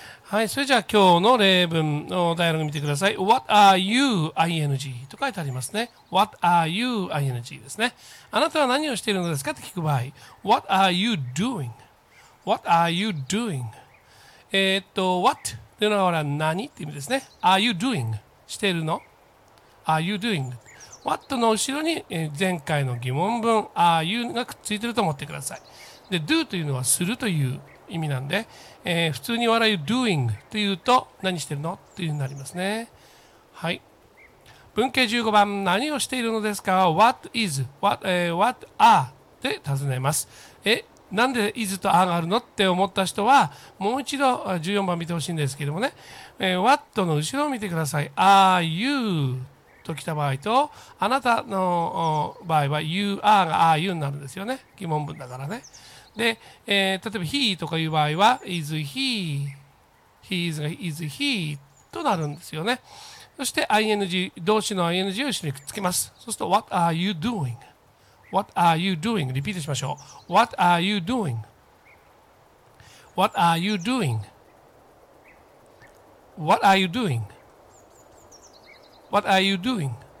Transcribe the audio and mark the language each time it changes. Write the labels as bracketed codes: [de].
[ja] はい、それじゃあ今日の例文のダイアログ見てください。 [en] What are you ing? [ja] と書いてありますね。 [en] What are you ing? [ja] ですね。あなたは何をしているのですかと聞く場合、 [en] What are you doing? What are you doing? What? [ja] というのは何という意味ですね。 [en] Are you doing? [ja] しているの [en] ?Are you doing? [ja] What の後ろに前回の疑問文 Are you がくっついてると思ってください。で、 Do というのはするという意味なんで、普通に笑う Doing というと何してるのというになりますね。はい、文型15番、何をしているのですか。 [en] What is what,、what are [ja] で尋ねます。なんで is と are があるのって思った人はもう一度14番見てほしいんですけどもね、What の後ろを見てください。 Are youと来た場合と、あなたの場合は you are が are you になるんですよね、疑問文だからね。で、例えば he とかいう場合は is he、 he is が is he となるんですよね。そして ing 動詞の ing を一緒にくっつけます。 [en] そうすると what are you doing、 what are you doing、 [ja] リピートしましょう。 [en] what are you doing、 what are you doing、 what are you doing、What are you doing?